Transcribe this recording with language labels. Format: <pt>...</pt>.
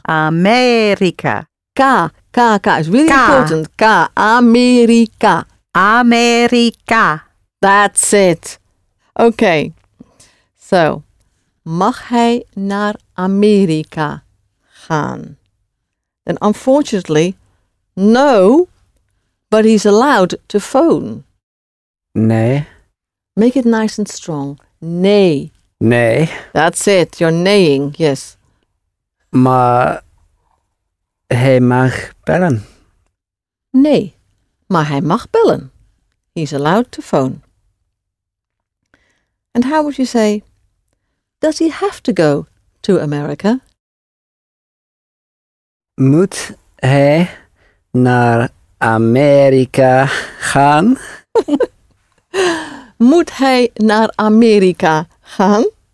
<nl>Amerika.</nl> <en>Ka. It's really important. Ka. Amerika.</en> <nl>Amerika.</nl> <en>That's it. Okay.</en> <nl>So, mag hij naar Amerika gaan?</nl> <en>And unfortunately, no, but he's allowed to phone.</en> <nl>Nee.</nl> <en>Make it nice and strong. Nee.</en> <nl>Nee.</nl> <en>That's it. You're neighing. Yes.</en> <nl>Maar hij mag bellen. Nee, maar hij mag bellen.</nl> <en>He's allowed to phone. And how would you say, does he have to go to America?</en> <nl>Moet hij naar Amerika gaan? Moet hij naar Amerika gaan?</nl>